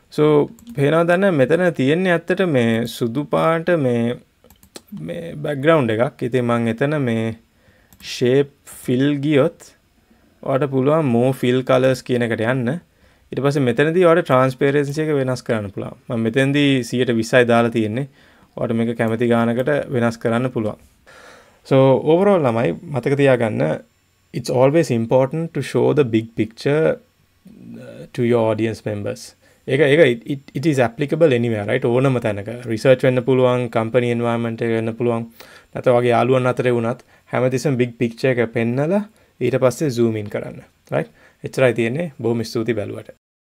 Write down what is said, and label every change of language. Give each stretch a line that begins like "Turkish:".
Sinhala: සෝ පේනවද දැන් මෙතන තියෙන්නේ ඇත්තට මේ සුදු පාට මේ බෑග්ග්‍රවුන්ඩ් එකක්. ඉතින් මම එතන මේ shape fill ගියොත් ඔයාට පුළුවන් more fill colors කියන එකට යන්න. ඊට පස්සේ මෙතනදී ඔයාට transparency එක වෙනස් කරන්න පුළුවන්. මම මෙතෙන්දී 120යි දාලා තියෙන්නේ. ඔයාට මේක කැමති ගානකට වෙනස් කරන්න පුළුවන්.
English: So overall
Sinhala: ළමයි මතක තියාගන්න
English: it's always important to show the big picture to your audience members. it is applicable anywhere, right?
Sinhala: ඕනම තැනක research වෙන්න පුළුවන්, company environment එක වෙන්න පුළුවන්. නැත්නම් වාගේ යාළුවන් අතරේ වුණත් හැමතිස්සෙම big picture එක පෙන්නලා ඊට පස්සේ zoom in කරන්න. Right? එච්චරයි තියෙන්නේ. බොහොම ස්තුතියි බැලුවට.